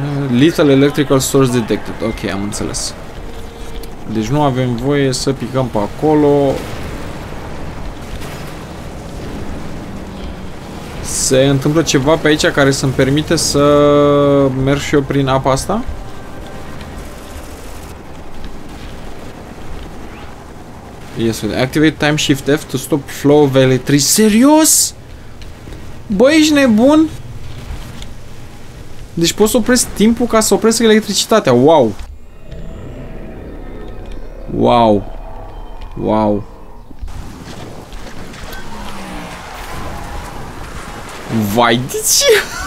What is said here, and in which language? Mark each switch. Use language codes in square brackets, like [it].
[en] Little electrical source detected. [ro] Ok, am înțeles. Deci nu avem voie să picăm pe acolo. Se întâmplă ceva pe aici care să-mi permite să merg și eu prin apa asta? [en] Yes, activate time shift F to stop flow of electricity. [ro] Serios? Bă, ești nebun? Deci pot să opresc timpul ca să opresc electricitatea. [en] Wow! Wow! Wow! [ro] Vai, de ce?